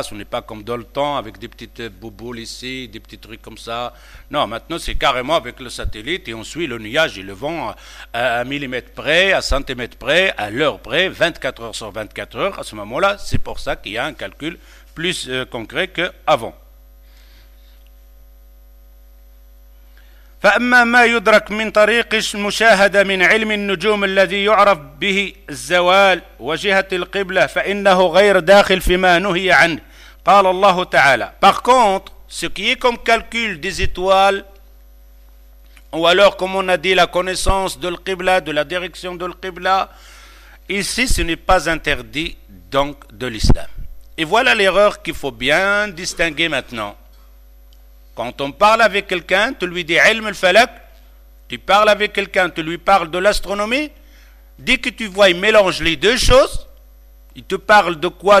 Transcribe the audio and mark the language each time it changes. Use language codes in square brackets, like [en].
[fr] Ce n'est pas comme dans le temps, avec des petites bouboules ici, des petits trucs comme ça. Non, maintenant, c'est carrément avec le satellite, et on suit le nuage et le vent à un millimètre près, à centimètre près, à l'heure près, 24 heures sur 24 heures. À ce moment-là, c'est pour ça qu'il y a un calcul plus concret qu'avant. [ar] فأما ما يدرك من طريق المشاهدة من علم النجوم الذي يعرف به الزوال وجهة القبلة فإنه غير داخل فيما نهي عنه قال الله تعالى. [fr] Par contre, ce qui est comme calcul des étoiles, ou alors comme on a dit la connaissance de l'Qibla, de la direction de l'Qibla, ici ce n'est pas interdit donc de l'islam. Et voilà l'erreur qu'il faut bien distinguer maintenant. Quand on parle avec quelqu'un, tu lui dis « ilm al-falak », tu parles avec quelqu'un, tu lui parles de l'astronomie, dès que tu vois, il mélange les deux choses, il te parle de quoi?